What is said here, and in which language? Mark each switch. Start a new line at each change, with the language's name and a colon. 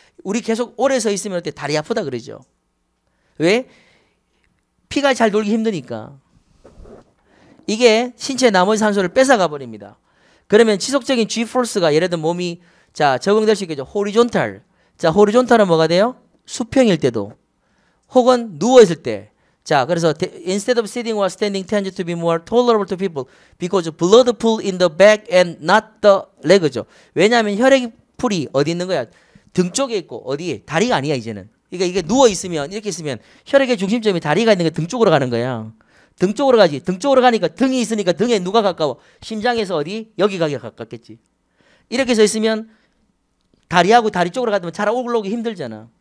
Korean: 우리 계속 오래 서 있으면 어때? 다리 아프다 그러죠. 왜? 피가 잘 돌기 힘드니까. 이게 신체 나머지 산소를 뺏어가 버립니다. 그러면 지속적인 G-force가 예를 들면 몸이 자 적응될 수 있겠죠. 호리존탈. 자 호리존탈은 뭐가 돼요? 수평일 때도 혹은 누워있을 때 자 그래서
English: instead of sitting or standing tends to be more tolerable to people because blood pool in the back and not the leg죠.
Korean: 왜냐하면 혈액이 풀이 어디 있는 거야? 등 쪽에 있고 어디에? 다리가 아니야 이제는. 그러니까 이게 누워있으면 이렇게 있으면 혈액의 중심점이 다리가 있는 게 등 쪽으로 가는 거야. 등 쪽으로 가지. 등 쪽으로 가니까 등이 있으니까 등에 누가 가까워? 심장에서 어디? 여기 가기가 가깝겠지. 이렇게 서 있으면 다리하고 다리 쪽으로 가면 잘 올라오기 힘들잖아.